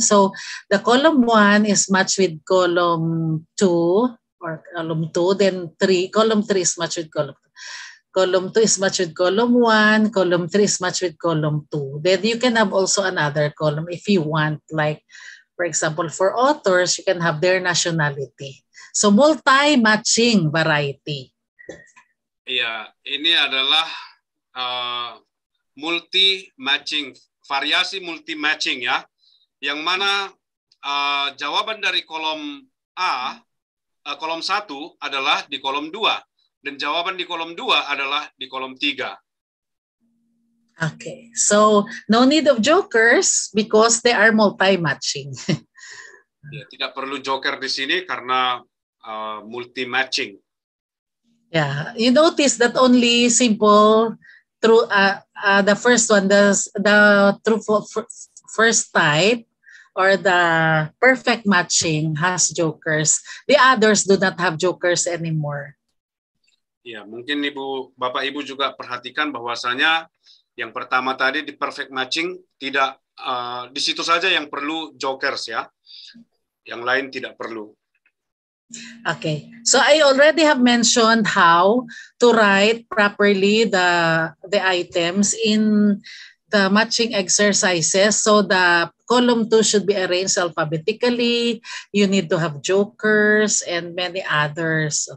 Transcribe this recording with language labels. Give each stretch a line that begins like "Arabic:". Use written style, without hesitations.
English: So, the column one is matched with column two, then three. Column three is matched with column two. Column two is matched with column one. Column three is matched with column two. Then you can have also another column if you want. Like, for example, for authors, you can have their nationality. So, multi-matching variety.
Indonesian: Iya, ini adalah multi matching, variasi multi matching ya, yang mana jawaban dari kolom A, kolom 1 adalah di kolom 2, dan jawaban di kolom 2 adalah di kolom 3.
English: Okay, so no need of jokers because they are multi matching.
Indonesian: Ya, tidak perlu joker di sini karena multi matching.
English: Yeah, you notice that only simple through the first one, the true first type or the perfect matching has jokers. The others do not have jokers anymore.
Indonesian: Yeah, mungkin Ibu, Bapak Ibu juga perhatikan bahwasanya yang pertama tadi di perfect matching tidak di situ saja yang perlu jokers ya. Yang lain tidak perlu.
English: Okay, so I already have mentioned how to write properly the items in the matching exercises. So the column 2 should be arranged alphabetically. You need to have jokers and many others.